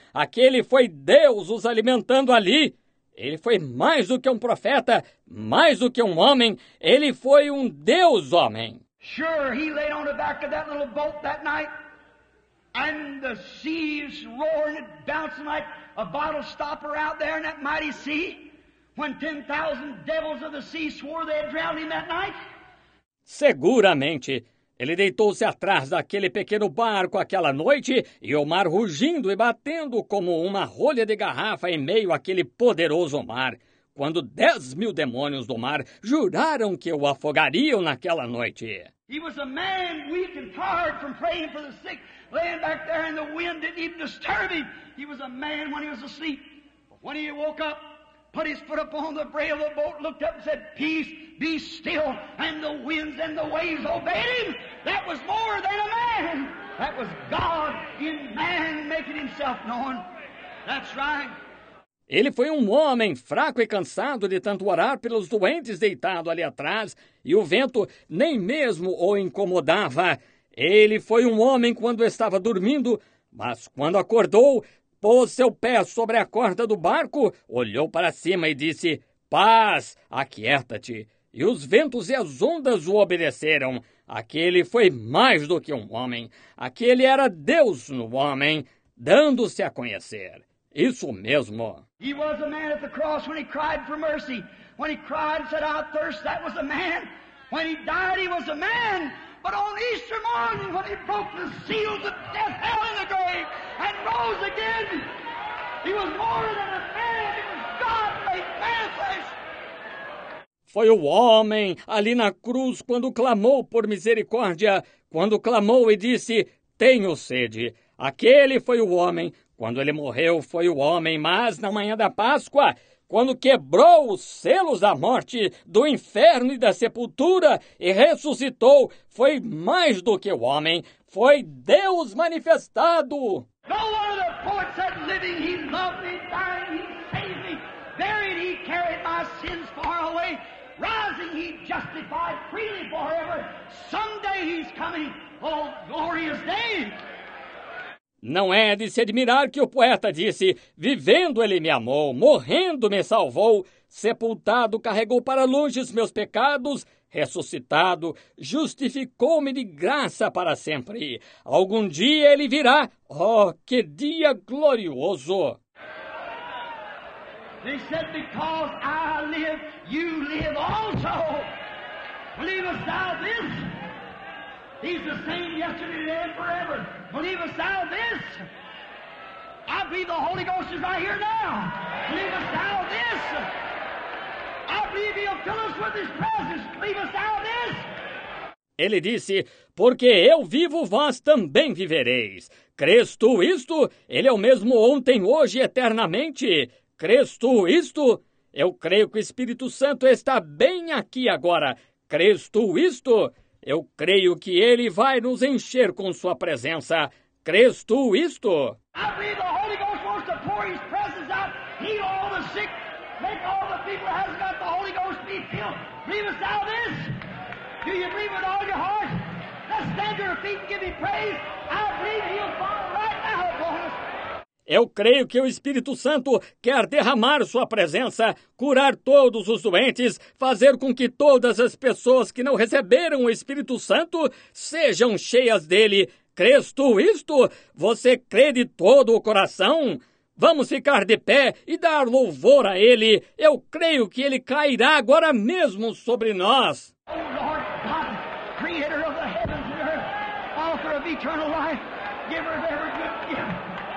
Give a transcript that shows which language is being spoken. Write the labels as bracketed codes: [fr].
[pt] Aquele foi Deus os alimentando ali. Ele foi mais do que profeta, mais do que homem. Ele foi Deus homem. [en] Sure, he laid on the back of that little boat that night, and the seas roaring and bouncing like a bottle stopper out there in that mighty sea, when 10,000 devils of the sea swore they had drowned him that night. [pt] Seguramente, ele deitou-se atrás daquele pequeno barco aquela noite, e o mar rugindo e batendo como uma rolha de garrafa em meio àquele poderoso mar, quando 10,000 demônios do mar juraram que o afogariam naquela noite. [en] He was a man weak and tired from praying for the sick, laying back there and the wind didn't even disturb him. He was a man when he was asleep. When he woke up, put his foot upon the rail of the boat, looked up and said, "Peace, be still," and the winds and the waves obeyed him. That was more than a man. That was God in man making himself known. That's right. [pt] Ele foi um homem fraco e cansado de tanto orar pelos doentes deitado ali atrás, e o vento nem mesmo o incomodava. Ele foi um homem quando estava dormindo, mas quando acordou, pôs seu pé sobre a corda do barco, olhou para cima e disse, "Paz, aquieta-te." E os ventos e as ondas o obedeceram. Aquele foi mais do que um homem. Aquele era Deus no homem, dando-se a conhecer. Isso mesmo. [en] He was a man at the cross when he cried for mercy. When he cried and said, "I thirst," that was a man. When he died, he was a man. But on Easter morning, when he broke the seals of death, hell, and the grave, and rose again, he was more than a man. He was God made manifest. [pt] Foi o homem ali na cruz quando clamou por misericórdia, quando clamou e disse, "Tenho sede." Aquele foi o homem. Quando ele morreu, foi o homem, mas na manhã da Páscoa, quando quebrou os selos da morte, do inferno e da sepultura e ressuscitou, foi mais do que o homem, foi Deus manifestado. [en] No other poet said, "Living, he loved me, dying, he saved me, buried, he carried my sins far away, rising, he justified freely forever, someday he's coming, oh glorious day." [pt] Não é de se admirar que o poeta disse, "Vivendo ele me amou, morrendo me salvou, sepultado carregou para longe os meus pecados, ressuscitado justificou-me de graça para sempre. Algum dia ele virá, oh, que dia glorioso!" [en] They said, "Because I live, you live also. Believest thou this? He's the same yesterday, today, and forever. Believest thou this? I believe the Holy Ghost is right here now. Believest thou this? I believe he'll fill us with his presence. Believest thou this?" [pt] Ele disse, "Porque eu vivo, vós também vivereis. Crês tu isto? Ele é o mesmo ontem, hoje e eternamente. Crês tu isto? Eu creio que o Espírito Santo está bem aqui agora. Crês tu isto? Eu creio que ele vai nos encher com sua presença. Crês tu isto?" [en] I believe the Holy Ghost wants to pour his presence out, heal all the sick, make all the people that hasn't got the Holy Ghost be healed. Believest thou this? Do you believe with all your heart? Let's stand to your feet and give him praise. I believe he'll fall right now upon us. [pt] Eu creio que o Espírito Santo quer derramar sua presença, curar todos os doentes, fazer com que todas as pessoas que não receberam o Espírito Santo sejam cheias dele. Crês tu isto? Você crê de todo o coração? Vamos ficar de pé e dar louvor a ele. Eu creio que ele cairá agora mesmo sobre nós. [en] Oh, Lord God, Creator of the heavens and earth, Author of eternal life, Giver of every good gift.